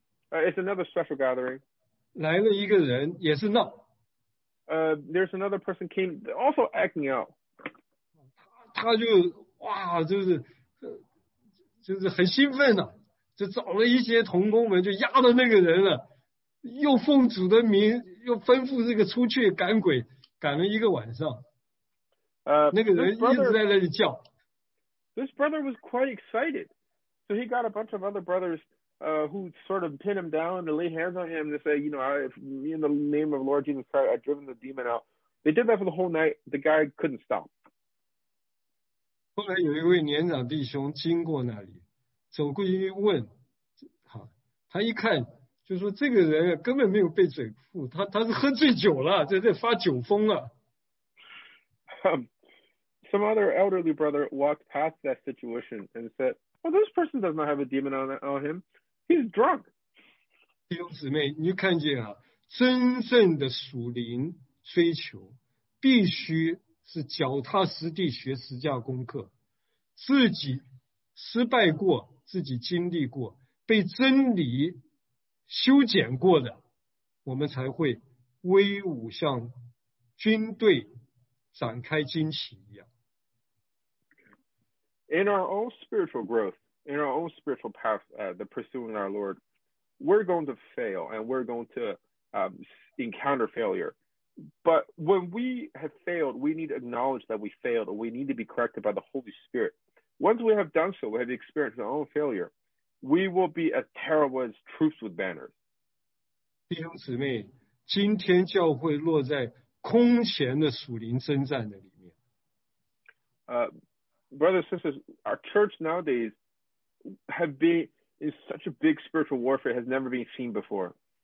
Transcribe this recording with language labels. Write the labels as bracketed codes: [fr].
[en] It's another special gathering. [zh] 来了一个人也是闹。 [en] There's another person came also acting out. [zh] 他就哇就是很兴奋啊，就找了一些同工们就压了那个人了，又奉主的名又吩咐这个出去赶鬼，赶了一个晚上。那个人一直在那里叫。 [en] This brother was quite excited, so he got a bunch of other brothers, who sort of pinned him down and lay hands on him to say, you know, in the name of Lord Jesus Christ, I've driven the demon out. They did that for the whole night. The guy couldn't stop. [zh] 后来有一位年长弟兄经过那里，走过去问，他一看就说这个人根本没有被嘴咐，他是喝醉酒了，在发酒疯了。 [en] Some other elderly brother walked past that situation and said, well, this person does not have a demon on him. He's drunk. [zh] 弟兄姊妹，你看见啊，真正的属灵追求必须是脚踏实地学十架功课，自己失败过，自己经历过，被真理修剪过的，我们才会威武像军队展开旌旗一样。 [en] In our own spiritual growth, in our own spiritual path, the pursuing our Lord, we're going to fail and we're going to encounter failure. But when we have failed, we need to acknowledge that we failed and we need to be corrected by the Holy Spirit. Once we have done so, we have experienced our own failure, we will be as terrible as troops with banners. [zh] 弟兄姊妹，今天教会落在空前的属灵征战的里面。 [en] Brothers and sisters, our church nowadays have been in such a big spiritual warfare has never been seen before.